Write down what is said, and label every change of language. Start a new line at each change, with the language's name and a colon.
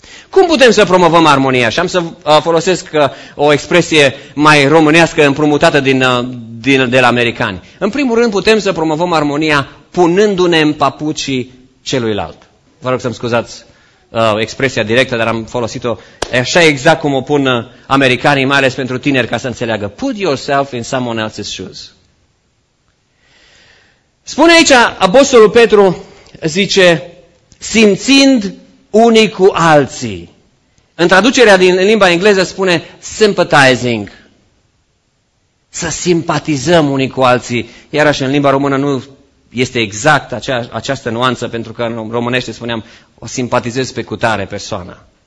Romanian: Cum putem să promovăm armonia? Și am să folosesc o expresie mai românească împrumutată de la americani. În primul rând putem să promovăm armonia punându-ne în papucii celuilalt. Vă rog să-mi scuzați expresia directă, dar am folosit-o așa exact cum o pun americanii, mai ales pentru tineri, ca să înțeleagă.
English: Put yourself in someone else's shoes.
Romanian: Spune aici, apostolul Petru zice, simțind unii cu alții. În traducerea din limba engleză spune sympathizing. Să simpatizăm unii cu alții. Iarăși, în limba română nu este exact această nuanță, pentru că în românește spuneam o simpatizez pe cutare persoana.